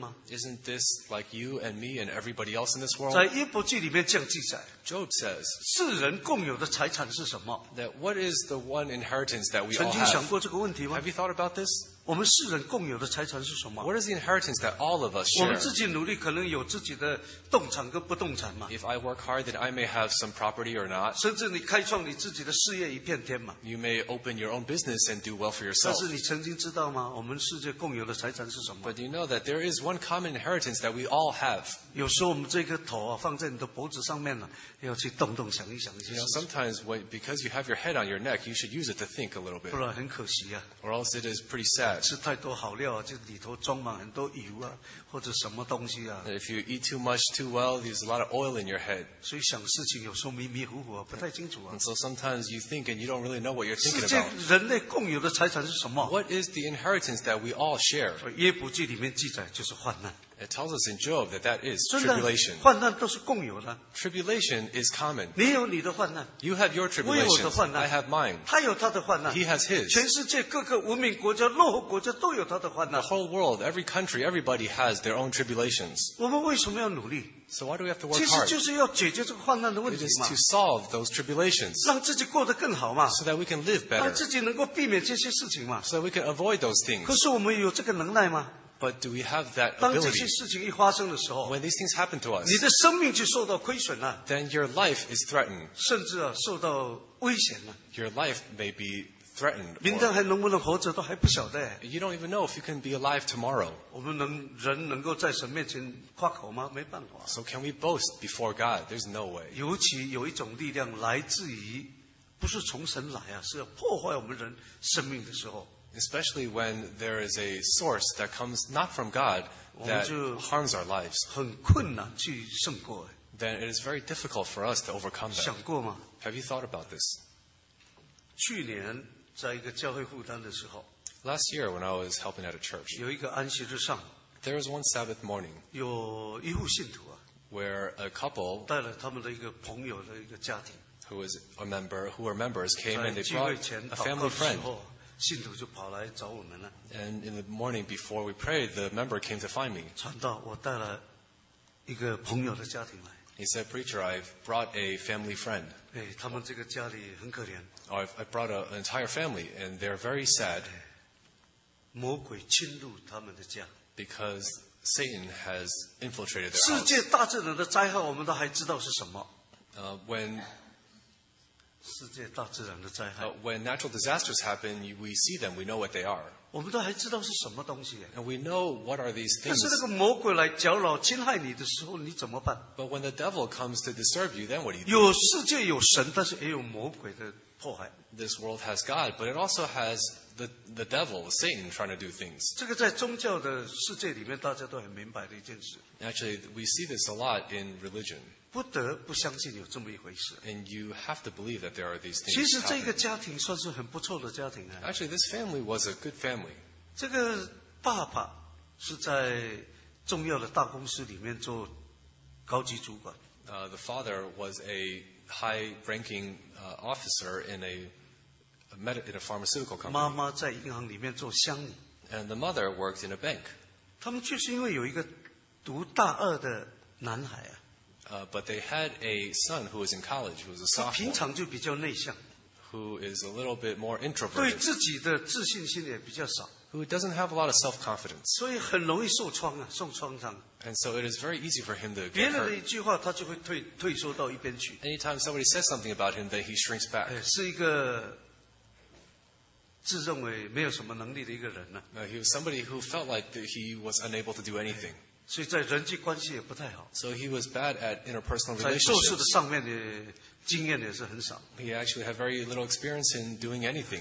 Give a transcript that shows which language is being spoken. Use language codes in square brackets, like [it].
[en] Isn't this like you and me and everybody else in this world? [zh] 在耶伯记里面这样记载, [en] Job says, [zh] 世人共有的财产是什么? [en] That what is the one inheritance that we all have? [zh] 曾经想过这个问题吗? [en] Have you thought about this? [zh] 我们世人共有的财产是什么? [en] What is the inheritance that all of us share? [zh] 我们自己努力可能有自己的动产跟不动产吗? [en] If I work hard, then I may have some property or not. [zh] 甚至你开创你自己的事业一片天吗? [en] You may open your own business and do well for yourself. [zh] 但是你曾经知道吗? 我们世界共有的财产是什么? [en] But do you know that there is one common inheritance that we all have? [zh] 有时候我们这颗头啊, 放在你的脖子上面啊, 要去动动想一想一些事情。 [en] You know, sometimes when, because you have your head on your neck, you should use it to think a little bit. [zh] 不然很可惜啊。 [en] Or else it is pretty sad. [zh] 吃太多好料啊, 就里头装满很多油啊, 或者什么东西啊。 [en] And if you eat too much too well, there's a lot of oil in your head. [zh] 所以想事情有时候迷迷糊糊啊, 不太清楚啊。 [en] And so sometimes you think and you don't really know what you're thinking about. [zh] 世界人类共有的财产是什么? [en] What is the inheritance that we all share? [zh] 所以耶伯记里面记载就是患难。 [en] It tells us in Job that that is tribulation. [zh] 患难都是共有的。 [en] Tribulation is common. [zh] 你有你的患难。 [en] You have your tribulation. [zh] 我有我的患难。 [en] I have mine. [zh] 他有他的患难。 [en] He has his. [zh] 全世界各个文明国家、落后国家都有他的患难。 [en] The whole world, every country, everybody has their own tribulations. [zh] 我们为什么要努力？ [en] So why do we have to work hard? [zh] 其实就是要解决这个患难的问题嘛。 [en] It is to solve those tribulations. [zh] 让自己过得更好嘛。 [en] So that we can live better. [zh] 让自己能够避免这些事情嘛。 [en] So that we can avoid those things. [zh] 可是我们有这个能耐吗？ [en] But do we have that ability? [zh] 当这些事情一发生的时候， [en] when these things happen to us, [zh] 你的生命就受到亏损了， [en] then your life is threatened. [zh] 甚至啊，受到危险了。 [en] Your life may be threatened. [zh] 明天还能不能活着都还不晓得。 [en] You don't even know if you can be alive tomorrow. [zh] 我们能人能够在神面前夸口吗？没办法。 [en] So can we boast before God? There's no way. [zh] 尤其有一种力量来自于，不是从神来啊，是要破坏我们人生命的时候。 [en] Especially when there is a source that comes not from God that harms our lives. [zh] 很困难去胜过。 [en] Then it is very difficult for us to overcome that. [zh] 想过吗？ [en] Have you thought about this? [zh] 去年在一个教会负担的时候， [en] Last year when I was helping at a church, [zh] 有一个安息日上， [en] there was one Sabbath morning, [zh] 有一户信徒啊， [en] where a couple [zh] 带了他们的一个朋友的一个家庭， [en] who was a member, who were members, came and they brought a family friend. [zh] 信徒就跑来找我们了。 [en] And in the morning before we prayed, the member came to find me. [zh] 传道，我带了一个朋友的家庭来。 [en] He said, "Preacher, I've brought a family friend." [zh] 哎，他们这个家里很可怜。 [en] I brought an entire family, and they're very sad. [zh] 魔鬼侵入他们的家。 [en] Because Satan has infiltrated their house. [zh] 世界大自然的灾害，我们都还知道是什么。 [en] When [zh] 世界大自然的灾害。 [en] When natural disasters happen, we see them. We know what they are. [zh] 我们都还知道是什么东西。 [en] And we know what are these things. [zh] 但是那个魔鬼来搅扰、侵害你的时候，你怎么办？ [en] But when the devil comes to disturb you, then what do you do? [zh] 有世界有神，但是也有魔鬼的迫害。 [en] This world has God, but it also has the devil, Satan, trying to do things. [zh] 这个在宗教的世界里面，大家都很明白的一件事。 [en] Actually, we see this a lot in religion. [zh] 不得不相信有这么一回事。 [en] And you have to believe that there are these things. [zh] 其实这个家庭算是很不错的家庭啊。 [en] Actually, this family was a good family. [zh] 这个爸爸是在重要的大公司里面做高级主管。 [en] The father was a high-ranking officer in a pharmaceutical company. [zh] 妈妈在银行里面做乡里。 [en] And the mother worked in a bank. [zh] 他们就是因为有一个读大二的男孩啊。 [en] But they had a son who was in college, who was a sophomore. [zh] 平常就比较内向。 [en] Who is a little bit more introverted. [zh] 对自己的自信心也比较少。 [en] Who doesn't have a lot of self-confidence. [zh] 所以很容易受创啊，受创伤。 [en] And so it is very easy for him to get hurt. [zh] 别人的一句话，他就会退缩到一边去。 [en] Anytime somebody says something about him, then he shrinks back. [zh] 是一个自认为没有什么能力的一个人啊。 [en] He was somebody who felt like that he was unable to do anything. [zh] 所以在人际关系也不太好。 [en] So he was bad at interpersonal relationships. [zh] 在做事的上面的经验也是很少。 [en] He actually had very little experience in doing anything.